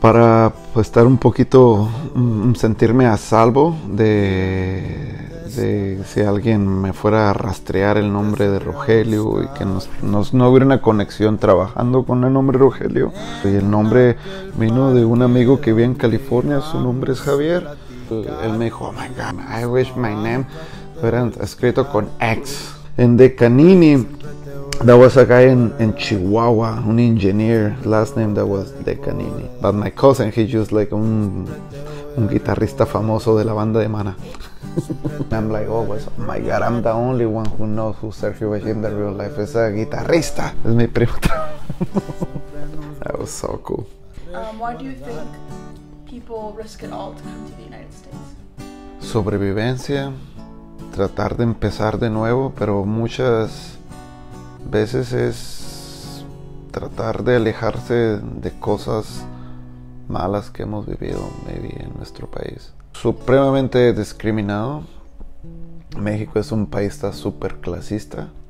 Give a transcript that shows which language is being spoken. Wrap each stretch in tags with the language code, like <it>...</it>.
<es>Para pues, estar un poquito, sentirme a salvo de si alguien me fuera a rastrear el nombre de Rogelio y que no hubiera una conexión trabajando con el nombre Rogelio. Y el nombre vino de un amigo que vive en California, su nombre es Javier. Él me dijo,</es> <en>oh my God, I wish my name</en> <es>fuera escrito con X.</es> <en>En De Canini, there was a guy in Chihuahua, an engineer, last name that was De Canini. But my cousin, he's just like</en> <es>un guitarrista famoso de la banda de Maná.</es> <en>I'm like, oh, well, so my God, I'm the only one who knows who Sergio Vallín in the real life is a guitarrista.</en> <es>Es mi primo.</es> <en>That was so cool. Why do you think people risk it all to come to the United States?</en> <es>Sobrevivencia, tratar de empezar de nuevo, pero muchas veces es tratar de alejarse de cosas malas que hemos vivido, maybe, en nuestro país. Supremamente discriminado. México es un país súper clasista.</es>